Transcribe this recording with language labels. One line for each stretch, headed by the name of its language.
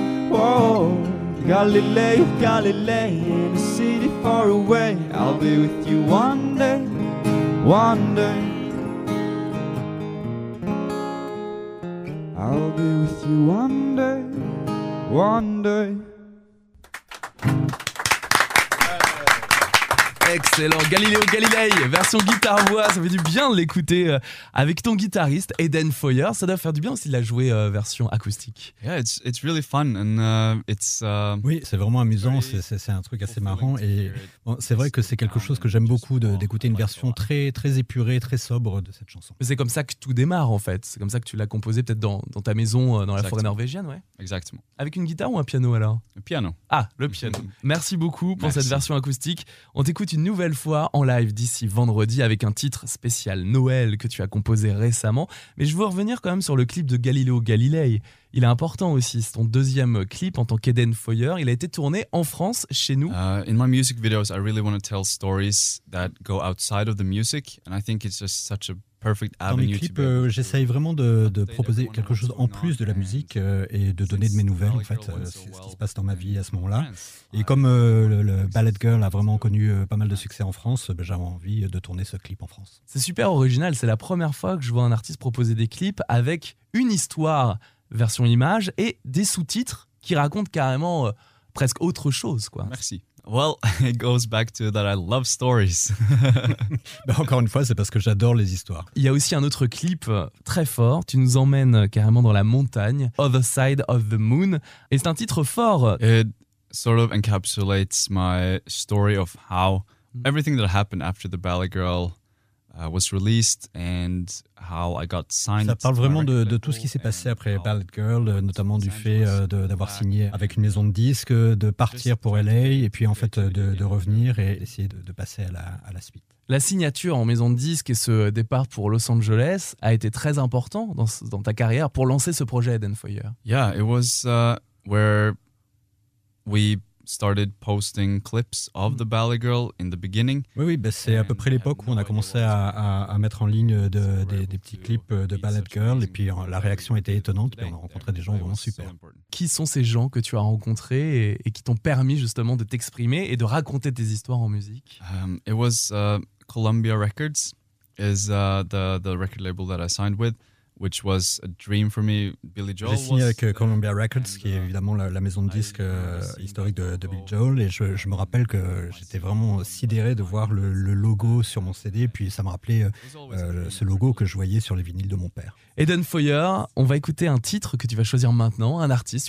English: Whoa, Galileo, Galilei, in a city far away, I'll be with you one day, one day. I'll be with you one day, one day.
French: Excellent, Galileo Galilei, version guitare-voix, ça fait du bien de l'écouter avec ton guitariste Eden Foyer. Ça doit faire du bien aussi de la jouer version acoustique.
English: Yeah, it's really fun and it's.
French: Oui, c'est vraiment amusant. C'est un truc assez marrant et bon, c'est vrai que c'est quelque chose que j'aime beaucoup d'écouter une version très très épurée, très sobre de cette chanson. C'est comme ça que tout démarre en fait. C'est comme ça que tu l'as composé peut-être dans ta maison dans la forêt norvégienne, ouais. Exactement. Avec une guitare ou un piano alors? Le piano. Ah, le piano. Merci beaucoup pour cette version acoustique. On t'écoute une nouvelle fois en live d'ici vendredi avec un titre spécial Noël que tu as composé récemment. Mais je veux revenir quand même sur le clip de Galileo Galilei. Il est important aussi, c'est ton deuxième clip en tant qu'Eden Foyer. Il a été tourné en France, chez nous.
English: In my music videos, I really want to tell stories that go outside of the music. And I think it's just such a perfect avenue.
French: Dans mes clips, j'essaye vraiment de proposer quelque chose en plus de la musique et de donner de mes nouvelles, en fait, ce qui se passe dans ma vie à ce moment-là. Et comme le Ballet Girl a vraiment connu pas mal de succès en France, ben j'avais envie de tourner ce clip en France. C'est super original, c'est la première fois que je vois un artiste proposer des clips avec une histoire version image et des sous-titres qui racontent carrément presque autre chose, quoi. Merci.
English: Well, it goes back to that I love stories.
French: Ben encore une fois, c'est parce que j'adore les histoires. Il y a aussi un autre clip très fort. Tu nous emmènes carrément dans la montagne, Other Side of the Moon. Et c'est un titre fort.
English: It sort of encapsulates my story of how everything that happened after the Ballet Girl was released and how I got signed.
French: Ça parle vraiment de tout ce qui s'est passé après Ballet Girl, notamment du fait d'avoir signé avec une maison de disques, de partir pour LA et puis en fait de revenir et essayer de passer à la suite. La signature en maison de disques et ce départ pour Los Angeles a été très important dans ta carrière pour lancer ce projet Eden Foyer.
English: Yeah, it was where we started posting clips of the Ballet Girl in the beginning.
French: Oui, oui, bah c'est à peu près l'époque où on a commencé à mettre en ligne des petits clips de Ballet Girl et puis la réaction était étonnante. Puis on a rencontré des gens vraiment super. Qui sont ces gens que tu as rencontrés et qui t'ont permis justement de t'exprimer et de raconter tes histoires en musique?
English: It was Columbia Records is the record label that I signed with. Which was a dream for me. Billy Joel.
French: J'ai signé avec Columbia Records, qui est évidemment la maison de disques historique de Billy Joel, et je me rappelle que j'étais vraiment sidéré de voir le logo sur mon CD, puis ça me rappelait ce logo que je voyais sur les vinyles de mon père. Eden Foyer, on va écouter un titre que tu vas choisir maintenant, un artiste.